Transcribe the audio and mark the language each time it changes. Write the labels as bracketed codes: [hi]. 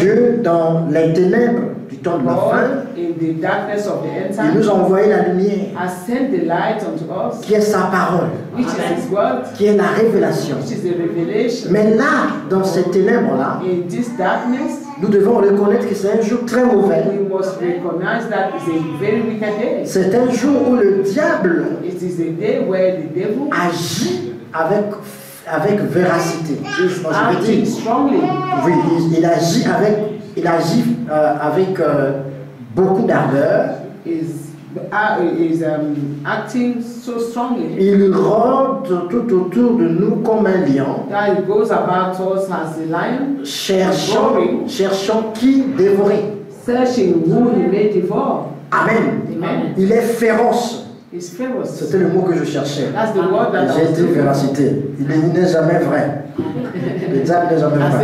[fr] Dieu, dans les ténèbres du temps de la fin, [en] in the darkness of the end time, [fr] il nous a envoyé la lumière. [en] Has sent the light unto us, [fr] qui est sa parole. [en] Which is his word, [fr] qui est la révélation. [en] Which is the revelation. [fr] Mais là, dans ces ténèbres-là, [en] in this darkness, [fr] nous devons reconnaître que c'est un jour très mauvais. [en] We must recognize that it's a very wicked day. [fr] C'est un jour où le diable, [en] it is a day where the devil, [fr] agit avec véracité. [en] Strongly. [fr] Oui, il agit avec beaucoup d'ardeur. [en] Acting so strongly. [fr] Il rôde tout autour de nous comme un lion. [en] That he goes about us as a lion. [fr] Cherchant qui dévorer. [en] Searching who he may devour. Amen. Amen. [fr] Il est féroce. [en] He's famous. [fr] C'était le mot que je cherchais. [en] That's the word that [fr] j'ai dit véracité. Il n'est jamais vrai. Le diable n'est jamais vrai.